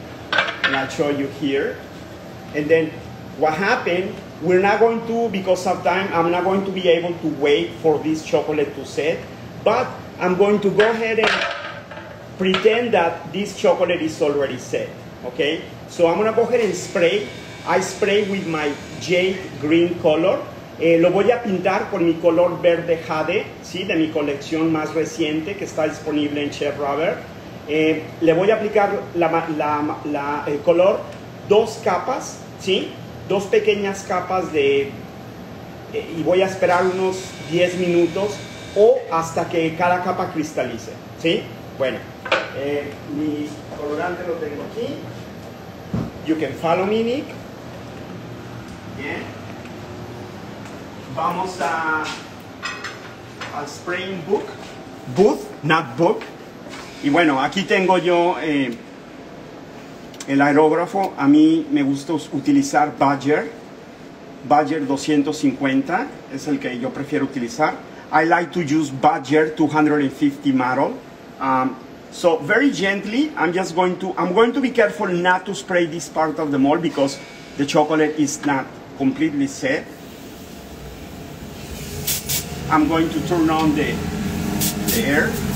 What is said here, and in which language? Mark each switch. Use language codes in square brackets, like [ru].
[en] And I'll show you here. And then what happened, we're not going to, because of time, I'm not going to be able to wait for this chocolate to set, but I'm going to go ahead and pretend that this chocolate is already set, okay? So I'm gonna go ahead and spray. I spray with my jade green color. [es] Lo voy a pintar con mi color verde jade, ¿sí? De mi colección más reciente que está disponible en Chef Robert. Le voy a aplicar el color, dos capas, ¿sí? Dos pequeñas capas de, y voy a esperar unos 10 minutos o hasta que cada capa cristalice, ¿sí? Bueno, mi colorante lo tengo aquí. You can follow me, Nick. Bien. Vamos a spraying book. Booth, not book. Y bueno, aquí tengo yo el aerógrafo. A mí me gusta utilizar Badger 250 es el que yo prefiero utilizar. [en] I like to use Badger 250 model. So very gently, I'm going to be careful not to spray this part of the mold because the chocolate is not completely set. I'm going to turn on the air.